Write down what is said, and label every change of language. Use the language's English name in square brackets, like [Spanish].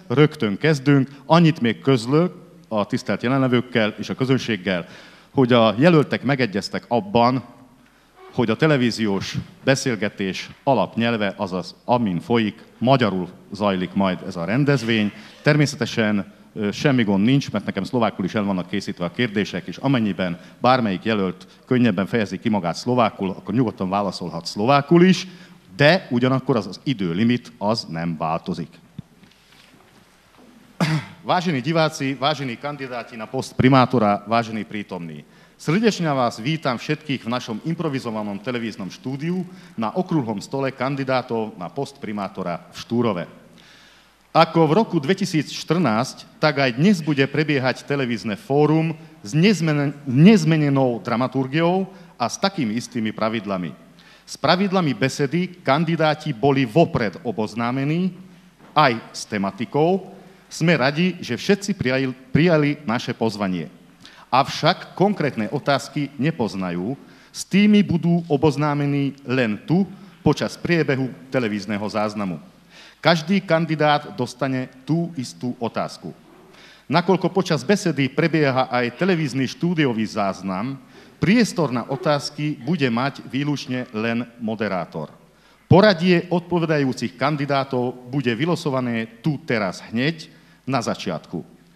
[Hungarian] Rögtön kezdünk. Annyit még közlök a tisztelt jelenlevőkkel és a közönséggel, hogy a jelöltek megegyeztek abban, hogy a televíziós beszélgetés alapnyelve, azaz amin folyik, magyarul zajlik majd ez a rendezvény. Természetesen semmi gond nincs, mert nekem szlovákul is el vannak készítve a kérdések, és amennyiben bármelyik jelölt könnyebben fejezi ki magát szlovákul, akkor nyugodtan válaszolhat szlovákul is, de ugyanakkor az időlimit az nem változik. [Slovak] Vážení diváci, vážení kandidáti na post primátora, vážení prítomní. Srdečne vás vítam všetkých v našom improvizovanom televíznom štúdiu na okrúhlom stole kandidátov na post primátora v Štúrove. Ako v roku 2014, tak aj dnes bude prebiehať televízne fórum s nezmenenou dramaturgiou a s takými istými pravidlami. S pravidlami besedy kandidáti boli vopred oboznámení aj s tematikou. Sme radi, že všetci prijali naše pozvanie. Avšak konkrétne otázky nepoznajú, s tými budú oboznámení len tu, počas priebehu televízneho záznamu. Každý kandidát dostane tú istú otázku. Nakoľko počas besedy prebieha aj televízny štúdiový záznam, priestor na otázky bude mať výlučne len moderátor. Poradie odpovedajúcich kandidátov bude vylosované tu teraz hneď, na začiatku.